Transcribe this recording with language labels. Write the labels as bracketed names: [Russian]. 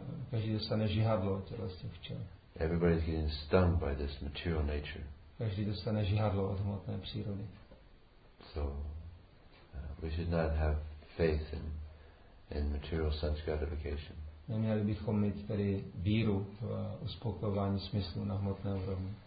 [Czech] Každý dostane žihadlo od těch včel. [English] Everybody's getting stung by this material nature. [Czech] Každý dostane žihadlo od hmotné přírody. [English] So we should not have faith in material sense gratification. [Czech] Neměli bychom mít tedy víru v uspokojování smyslu na hmotné úrovni.